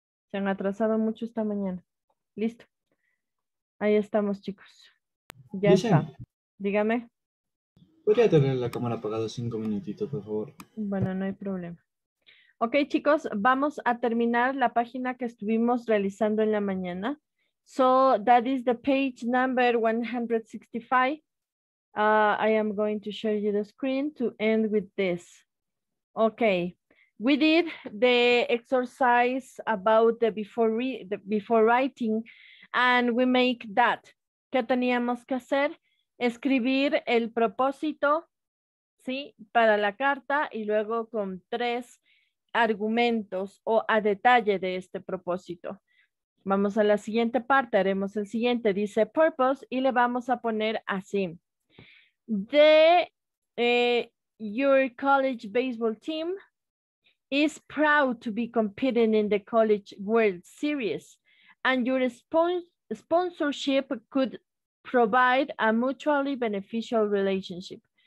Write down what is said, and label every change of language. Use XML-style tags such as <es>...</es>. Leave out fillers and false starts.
<es>Se han atrasado mucho esta mañana. Listo. Ahí estamos, chicos. Ya está. Dígame. ¿Podría tener la cámara apagada 5 minutitos, por favor? Bueno, no hay problema. Ok, chicos, vamos a terminar la página que estuvimos realizando en la mañana.</es> <en>So, that is the page number 165. I am going to show you the screen to end with this. Ok, we did the exercise about the before writing and we make that.</en> <es>¿Qué teníamos que hacer? Escribir el propósito, ¿sí? Para la carta y luego con tres argumentos o a detalle de este propósito. Vamos a la siguiente parte, haremos el siguiente, dice purpose y le vamos a poner así.</es> <en>The your college baseball team is proud to be competing in the College World Series and your sponsorship could provide a mutually beneficial relationship.</en>